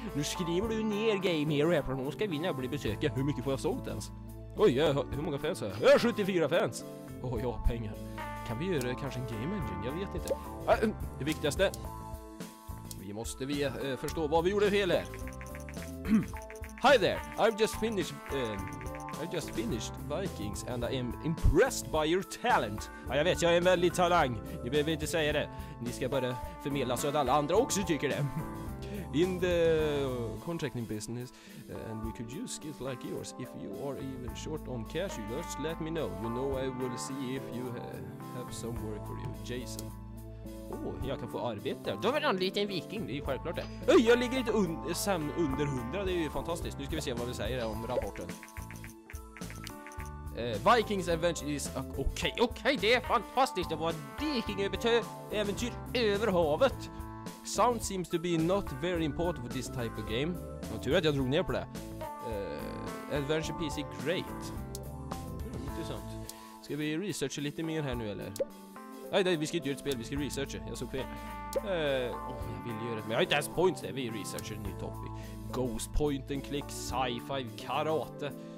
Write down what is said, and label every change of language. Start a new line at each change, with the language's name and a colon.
Swedish: Nu skriver du ner Game Hero här. Hon ska vinna och bli besöka. Hur mycket får jag sålt ens? Oj, hur många fans har jag? Jag har 74 fans. Oj, jag har pengar. Kan vi göra kanske en game engine? Jag vet inte. Det viktigaste. Vi måste vi förstå vad vi gjorde fel här.
English: Hi there. I've just finished Vikings and I am impressed by your talent.
Swedish: Ja, jag vet, jag är en väldigt talang. Ni behöver inte säga det. Ni ska bara förmedla så att alla andra också tycker det.
English: In the contracting business, and we could use skills like yours. If you are even short on cash, just let me know. You know I will see if you have some work for you, Jason.
Swedish: Oh, jag kan få arbete. Du har en liten viking, det är ju självklart det. Jag ligger lite under 100, det är ju fantastiskt. Nu ska vi se vad vi säger om rapporten. Vikings Adventure is okej, det är fantastiskt. Det var ett vikingäventyr över havet.
English: Sound seems to be not very important for this type of game.
Swedish: Jag tror att jag drog ner på det.
English: Adventure PC great.
Swedish: Intressant. Ska vi researcha lite mer här nu eller? Nej, vi ska inte göra ett spel, vi ska researcha. Jag såg fel. Jag vill göra ett, men jag har inte ens points där. Vi researcher en ny topic. Ghost point and click, sci-fi, karate.